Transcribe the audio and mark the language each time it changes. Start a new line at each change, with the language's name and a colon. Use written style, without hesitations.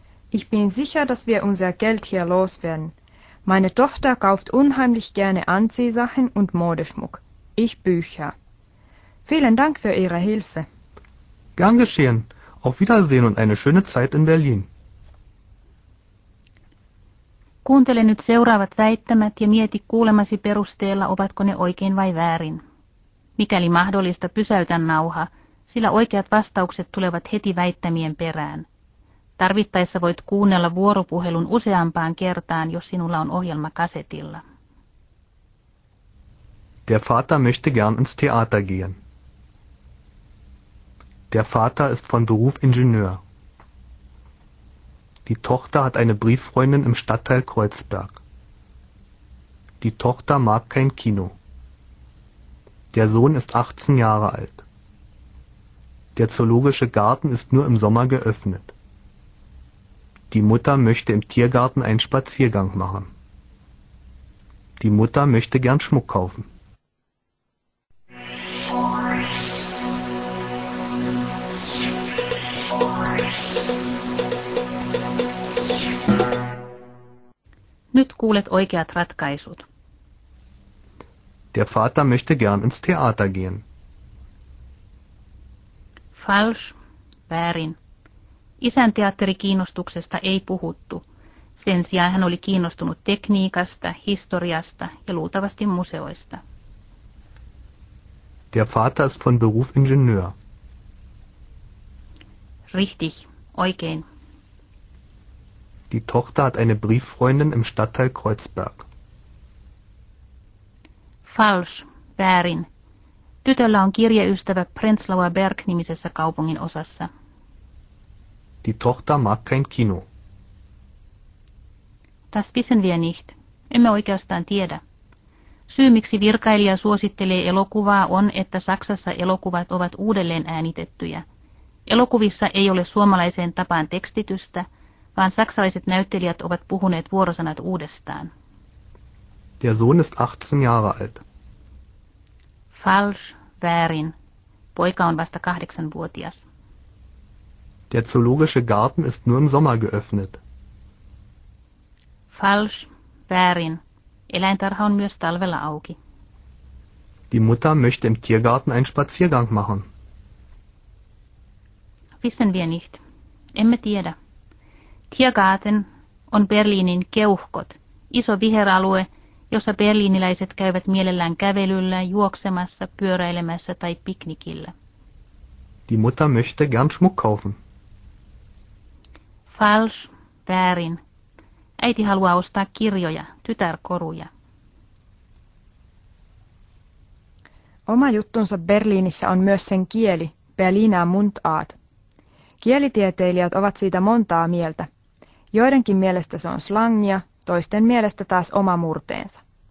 German: Ich bin sicher, dass wir unser Geld hier loswerden. Meine Tochter kauft unheimlich gerne Anziehsachen und Modeschmuck. Ich Bücher. Vielen Dank für Ihre Hilfe. Gern geschehen. Auf Wiedersehen und eine schöne Zeit in Berlin.
Finnish: Kuuntele nyt seuraavat väittämät ja mieti kuulemasi perusteella, ovatko ne oikein vai väärin. Mikäli mahdollista, pysäytä nauha, sillä oikeat vastaukset tulevat heti väittämien perään. Tarvittaessa voit kuunnella vuoropuhelun useampaan kertaan, jos sinulla on ohjelma kasetilla.
German: Der Vater möchte gern ins Theater gehen. Der Vater ist von Beruf Ingenieur. Die Tochter hat eine Brieffreundin im Stadtteil Kreuzberg. Die Tochter mag kein Kino. Der Sohn ist 18 Jahre alt. Der zoologische Garten ist nur im Sommer geöffnet. Die Mutter möchte im Tiergarten einen Spaziergang machen. Die Mutter möchte gern Schmuck kaufen.
Finnish: Nyt kuulet oikeat ratkaisut.
German: Der Vater möchte gern ins Theater gehen. Falsch,
Finnish: väärin. Isän teatterikiinnostuksesta ei puhuttu. Sen sijaan hän oli kiinnostunut tekniikasta, historiasta ja luultavasti museoista.
German: Der Vater ist von Beruf Ingenieur. Richtig,
Finnish: oikein.
German: Die Tochter hat eine Brieffreundin im Stadtteil Kreuzberg. Falsch,
Finnish: väärin. Tytöllä on kirjeystävä Prenzlauer Berg-nimisessä kaupungin osassa.
German: Die Tochter mag kein Kino. Das wissen wir nicht.
Finnish: Emme oikeastaan tiedä. Syy, miksi virkailija suosittelee elokuvaa, on, että Saksassa elokuvat ovat uudelleen äänitettyjä. Elokuvissa ei ole suomalaiseen tapaan tekstitystä, vaan saksalaiset näyttelijät ovat puhuneet vuorosanat uudestaan.
German: Der Sohn ist 18 Jahre alt. Falsch,
Finnish: väärin. Poika on vasta 8-vuotias.
German: Der zoologische Garten ist nur im Sommer geöffnet. Falsch,
Finnish: väärin. Eläintarha on myös talvella auki.
German: Die Mutter möchte im Tiergarten einen Spaziergang machen. Wissen wir nicht.
Finnish: Emme tiedä. Tiergarten on Berliinin keuhkot, iso viheralue, jossa berliiniläiset käyvät mielellään kävelyllä, juoksemassa, pyöräilemässä tai piknikillä.
German: Die Mutter möchte gern Schmuck kaufen. Falsch,
Finnish: väärin. Äiti haluaa ostaa kirjoja, tytärkoruja. Oma juttunsa Berliinissä on myös sen kieli,
German: Berliner Mundart.
Finnish: Kielitieteilijät ovat siitä montaa mieltä. Joidenkin mielestä se on slangia, toisten mielestä taas oma murteensa.